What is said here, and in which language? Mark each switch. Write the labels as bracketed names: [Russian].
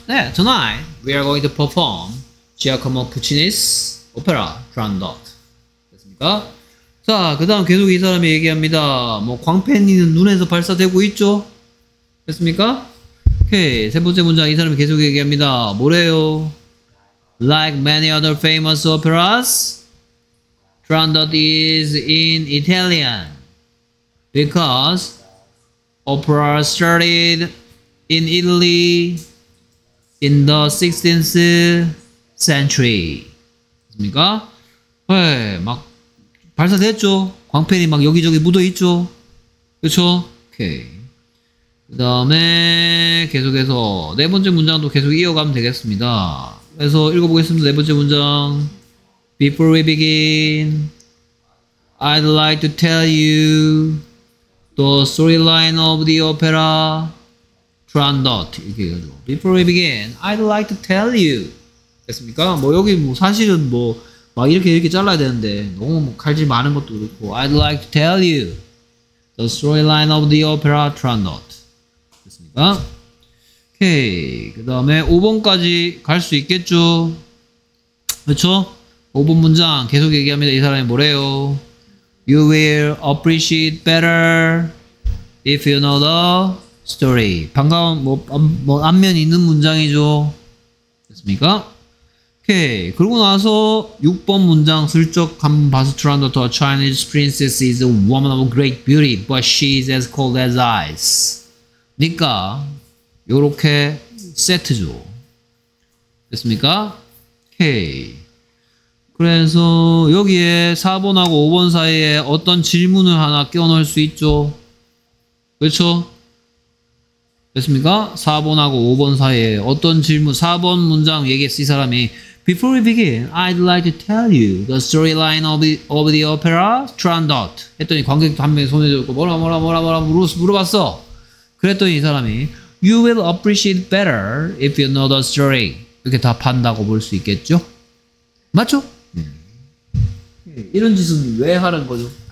[English] 네, tonight we are going to perform Giacomo Puccini's opera Trandot. [Korean] 됐습니까? 자, 그 다음 계속 이 사람이 얘기합니다. 뭐 광팬이는 눈에서 발사되고 있죠? 됐습니까? 오케이. 세 번째 문장 이 사람이 계속 얘기합니다. 뭐래요? [English] Like many other famous operas, Trandot is in Italian because opera started in Italy in the 16th century. [Korean] 됐습니까? 네, 막 발사됐죠? 광팬이 막 여기저기 묻어있죠? 그쵸? 오케이. 그 다음에 계속해서 네 번째 문장도 계속 이어가면 되겠습니다. 그래서 읽어보겠습니다. 네 번째 문장. [English] Before we begin, I'd like to tell you the storyline of the opera Trandot. [Korean] 이렇게 해가지고. [English] Before we begin, I'd like to tell you. [Korean] 됐습니까? 뭐 여기 뭐 사실은 뭐 막 이렇게 이렇게 잘라야 되는데 너무 뭐 칼질 많은 것도 그렇고. [English] I'd like to tell you the storyline of the opera Trandot. [Korean] 아, 오케이. 그 다음에 5번까지 갈 수 있겠죠? 그쵸? 5번 문장 계속 얘기합니다. 이 사람이 뭐래요? [English] You will appreciate better if you know the story. [Korean] 반가운 뭐 앞면 있는 문장이죠. 됐습니까? 오케이. 그러고 나서 6번 문장 슬쩍 한번 봐서 트란도트. [English] A Chinese princess is a woman of great beauty, but she is as cold as ice. [Korean] 니까 요렇게 세트죠. 됐습니까? 오케이. 그래서 여기에 4번하고 5번 사이에 어떤 질문을 하나 끼워넣을 수 있죠. 그렇죠? 됐습니까? 4번하고 5번 사이에 어떤 질문, 4번 문장 얘기했어 이 사람이. [English] Before we begin, I'd like to tell you the storyline of the opera Trandot. [Korean] 했더니 관객도 한 명이 손을 들고 뭐라 물어봤어. 그랬더니 이 사람이 [English] You will appreciate better if you know the story. [Korean] 이렇게 답한다고 볼 수 있겠죠? 맞죠? 이런 짓은 왜 하는 거죠?